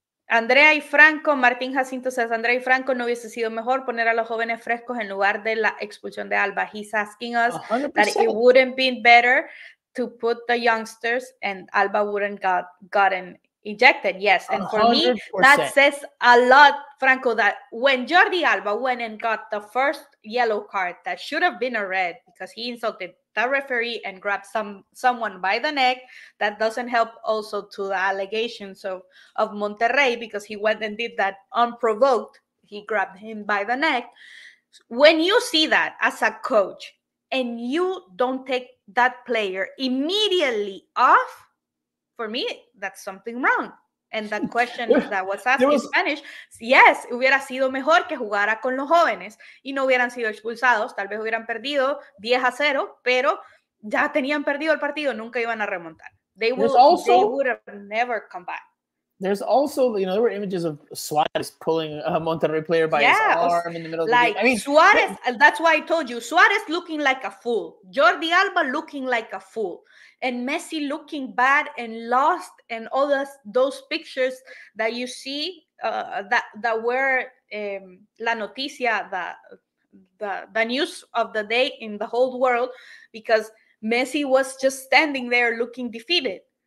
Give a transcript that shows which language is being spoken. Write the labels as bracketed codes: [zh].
[es] Andrea y Franco, Martín Jacinto [en] says, [es] Andrea y Franco, no hubiese sido mejor poner a los jóvenes frescos en lugar de la expulsión de Alba. [en] He's asking us 100%. That it wouldn't be better to put the youngsters and Alba wouldn't gotten ejected. Yes. And 100%. For me, that says a lot, Franco, that when Jordi Alba went and got the first yellow card that should have been a red because he insulted the referee and grabbed someone by the neck, that doesn't help also to the allegations of Monterrey because he went and did that unprovoked. He grabbed him by the neck. When you see that as a coach and you don't take that player immediately off, for me, that's something wrong. And the question that was asked in Spanish, yes, [es] hubiera sido mejor que jugara con los jóvenes y no hubieran sido expulsados. Tal vez hubieran perdido 10-0, pero ya tenían perdido el partido. Nunca iban a remontar. [en] They would have never come back. There's also, there were images of Suarez pulling a Monterrey player by his arm in the middle of the game. I mean, Suarez, that's why I told you, Suarez looking like a fool. Jordi Alba looking like a fool. And Messi looking bad and lost and all those pictures that you see that were [es] la noticia, [en] the news of the day in the whole world because Messi was just standing there looking defeated.